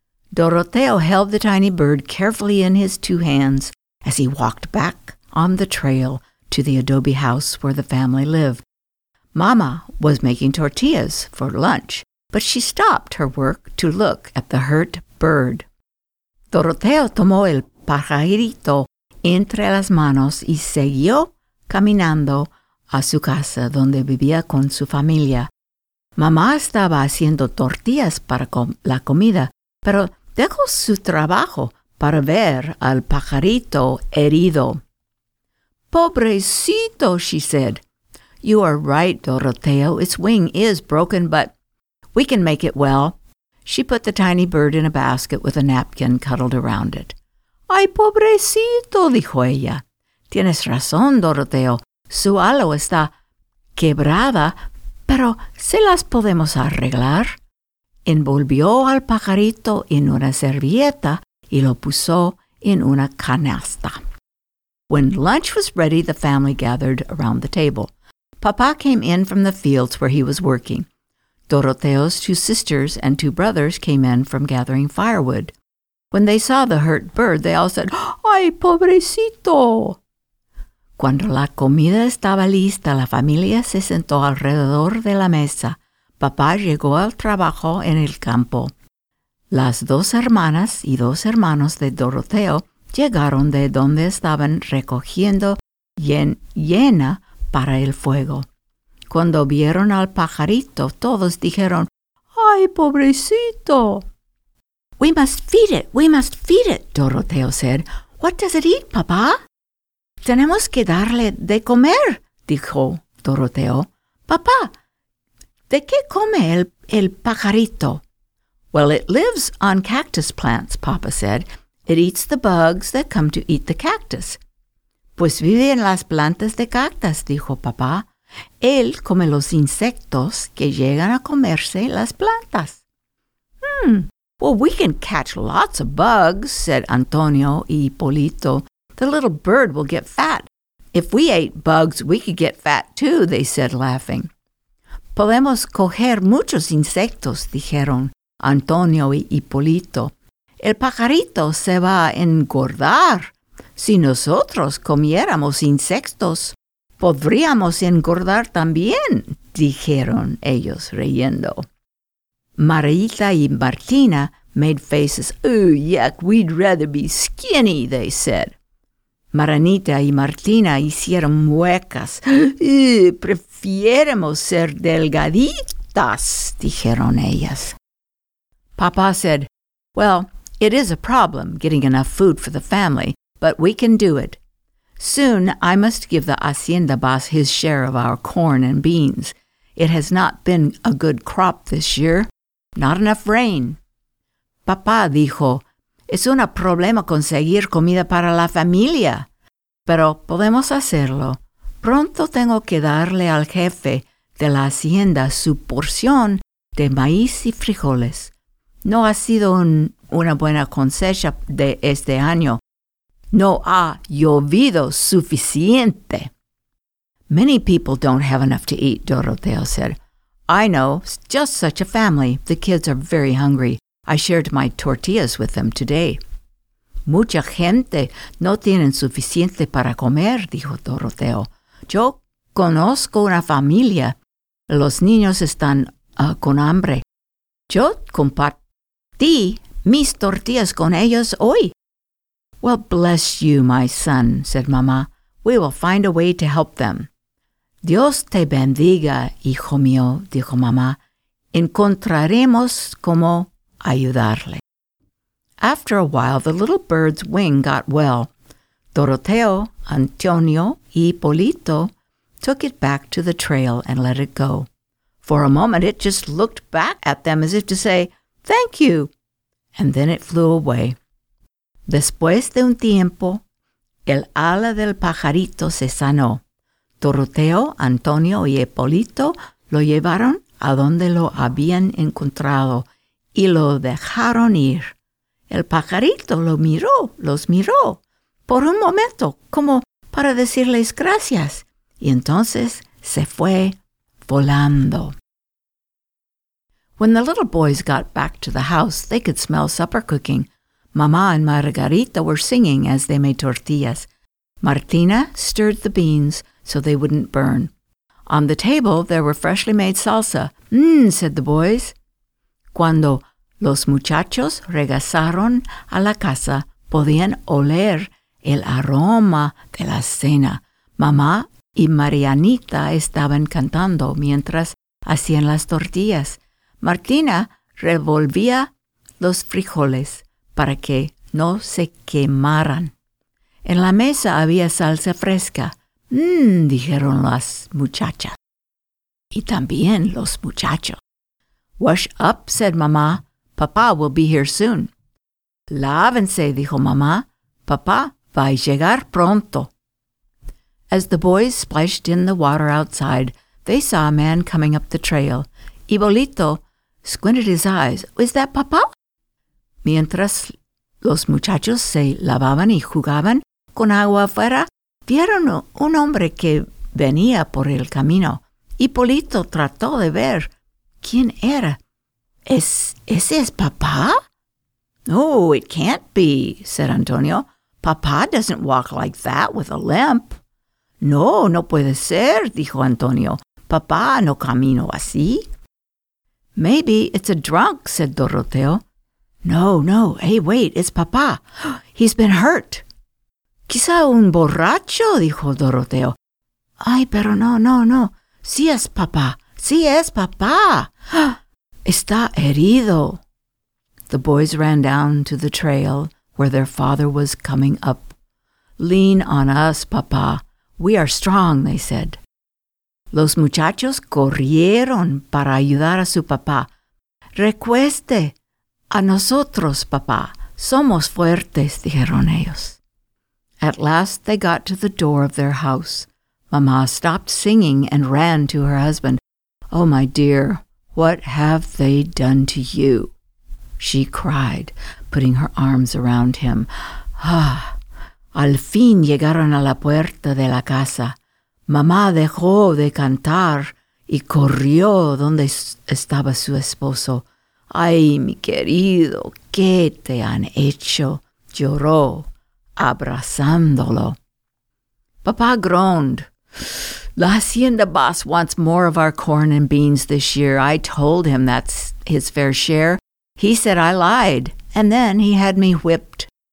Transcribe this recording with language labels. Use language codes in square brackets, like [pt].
[en] Doroteo held the tiny bird carefully in his two hands as he walked back on the trail to the adobe house where the family lived. Mama was making tortillas for lunch, but she stopped her work to look at the hurt bird. [es] Doroteo tomó el pajarito entre las manos y siguió caminando a su casa donde vivía con su familia. Mamá estaba haciendo tortillas para la comida, pero dejó su trabajo para ver al pajarito herido. [en] Pobrecito, she said. You are right, Doroteo. Its wing is broken, but we can make it well. She put the tiny bird in a basket with a napkin cuddled around it. [es] Ay, pobrecito, dijo ella. Tienes razón, Doroteo. Su ala está quebrada, pero se las podemos arreglar. Envolvió al pajarito en una servilleta y lo puso en una canasta. [en] When lunch was ready, the family gathered around the table. Papá came in from the fields where he was working. Doroteo's two sisters and two brothers came in from gathering firewood. When they saw the hurt bird, they all said, [es] ¡Ay, pobrecito! Cuando la comida estaba lista, la familia se sentó alrededor de la mesa. Papá llegó al trabajo en el campo. Las dos hermanas y dos hermanos de Doroteo llegaron de donde estaban recogiendo llena para el fuego. Cuando vieron al pajarito, todos dijeron, ¡Ay, pobrecito! [en] We must feed it, we must feed it, Doroteo said. What does it eat, papá? [es] Tenemos que darle de comer, dijo Doroteo. Papá, ¿de qué come el pajarito? [en] Well, it lives on cactus plants, papá said. It eats the bugs that come to eat the cactus. [es] Pues vive en las plantas de cactus, dijo papá. Él come los insectos que llegan a comerse las plantas. [en] Well, we can catch lots of bugs, said Antonio y Polito. The little bird will get fat. If we ate bugs, we could get fat too, they said, laughing. [es] Podemos coger muchos insectos, dijeron Antonio y Polito. El pajarito se va a engordar, Si nosotros comiéramos insectos, podríamos engordar también, dijeron ellos riendo. [en] Marita y Martina made faces. Oh, yuck, we'd rather be skinny, they said. [es] Maranita y Martina hicieron muecas. Prefiéremos ser delgaditas, dijeron ellas. [en] Papa said, well, it is a problem getting enough food for the family, but we can do it. Soon I must give the hacienda boss his share of our corn and beans. It has not been a good crop this year. Not enough rain. [es] Papá dijo, es un problema conseguir comida para la familia. Pero podemos hacerlo. Pronto tengo que darle al jefe de la hacienda su porción de maíz y frijoles. No ha sido una buena cosecha de este año. No ha llovido suficiente. [en] Many people don't have enough to eat, Doroteo said. I know, just such a family. The kids are very hungry. I shared my tortillas with them today. [es] Mucha gente no tiene suficiente para comer, dijo Doroteo. Yo conozco una familia. Los niños están con hambre. Yo compartí mis tortillas con ellos hoy. [en] Well, bless you, my son, said Mama. We will find a way to help them. [es] Dios te bendiga, hijo mío, dijo Mama. Encontraremos cómo ayudarle. [en] After a while, the little bird's wing got well. Doroteo, Antonio, y Polito took it back to the trail and let it go. For a moment, it just looked back at them as if to say, thank you, and then it flew away. [es] Después de un tiempo, el ala del pajarito se sanó. Doroteo, Antonio y Hipólito lo llevaron a donde lo habían encontrado y lo dejaron ir. El pajarito los miró, por un momento, como para decirles gracias, y entonces se fue volando. [en] When the little boys got back to the house, they could smell supper cooking. Mama and Margarita were singing as they made tortillas. Martina stirred the beans so they wouldn't burn. On the table, there were freshly made salsa. Mmm, said the boys. [es] Cuando los muchachos regresaron a la casa, podían oler el aroma de la cena. Mamá y Marianita estaban cantando mientras hacían las tortillas. Martina revolvía los frijoles para que no se quemaran. En la mesa había salsa fresca. Mmm, dijeron las muchachas. Y también los muchachos. [en] Wash up, said Mamá. Papá will be here soon. [es] Lávense, dijo Mamá. Papá va a llegar pronto. [en] As the boys splashed in the water outside, they saw a man coming up the trail. Hipólito squinted his eyes. Is that Papá? [es] Mientras los muchachos se lavaban y jugaban con agua afuera, vieron un hombre que venía por el camino. Hipólito trató de ver quién era. ¿Ese es Papá? [en] No, it can't be, said Antonio. Papá doesn't walk like that with a limp. [es] No, no puede ser, dijo Antonio. Papá no camino así. [en] Maybe it's a drunk, said Doroteo. No, no, hey, wait, it's Papá. He's been hurt. [es] Quizá un borracho, dijo Doroteo. Ay, pero no. Sí es Papá. Sí es Papá. Está herido. [en] The boys ran down to the trail where their father was coming up. Lean on us, Papá. We are strong, they said. [es] Los muchachos corrieron para ayudar a su papá. Recueste a nosotros, Papá. Somos fuertes, dijeron ellos. [en] At last they got to the door of their house. Mamá stopped singing and ran to her husband. Oh, my dear, what have they done to you? She cried, putting her arms around him. [es] Ah, al fin llegaron a la puerta de la casa. Mamá dejó de cantar y corrió donde estaba su esposo. Ay, mi querido, ¿qué te han hecho? Lloró. abrazándolo. [en] Papá groaned. "The hacienda boss wants more of our corn and beans this year. I told him that's his fair share. He said I lied, and then he had me whipped."